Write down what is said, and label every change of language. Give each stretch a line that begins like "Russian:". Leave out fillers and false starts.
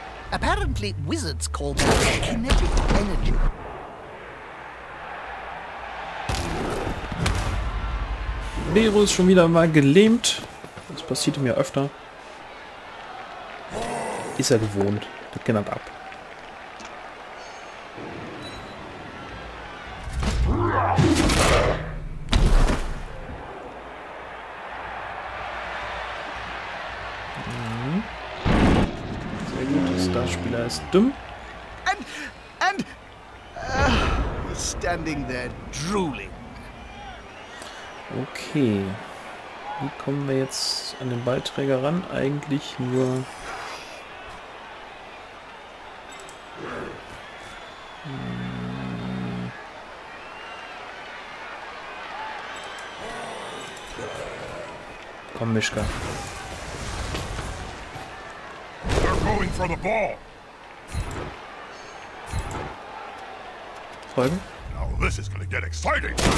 English: Apparently, wizards call it kinetic energy.
German: Bero ist schon wieder mal gelähmt. Das passiert mir öfter. Ist er gewohnt. Das geht ab. Spieler ist dumm.
English: Standing there drooling.
German: Okay. Wie kommen wir jetzt an den Ballträger ran? Eigentlich nur komm, Mischka.
English: They're going for the ball.
German: Folgen.
English: Now this is gonna get exciting.